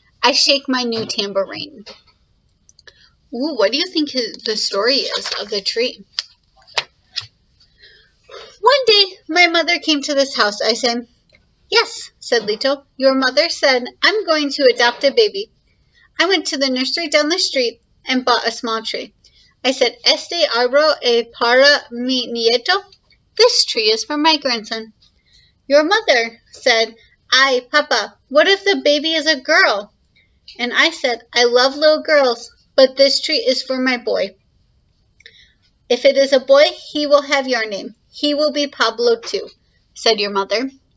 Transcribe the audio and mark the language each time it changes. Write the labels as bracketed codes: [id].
[en] I shake my new tambourine. Ooh, what do you think the story is of the tree? One day, my mother came to this house. I said, yes, said Lito. Your mother said, I'm going to adopt a baby. I went to the nursery down the street and bought a small tree. I said, [es] este árbol es para mi nieto. [en] This tree is for my grandson. Your mother said, [es] ay, papa, [en] what if the baby is a girl? And I said, I love little girls, but this tree is for my boy. If it is a boy, he will have your name. He will be Pablo too, said your mother.